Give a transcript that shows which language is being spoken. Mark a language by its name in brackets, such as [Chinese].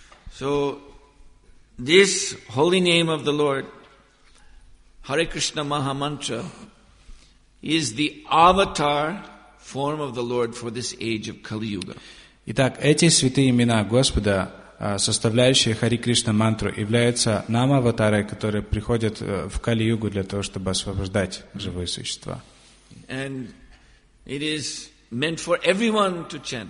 [English] So, this holy name of the Lord, Hare Krishna Maha Mantra, is the avatar form of the Lord for this age of Kali Yuga. [Russian] Итак, эти святые имена Господа, составляющие Хари Кришна мантру, являются нам аватарой, которые приходят в Кали-югу для того, чтобы освобождать живые существа. [English] And it is meant for everyone to chant.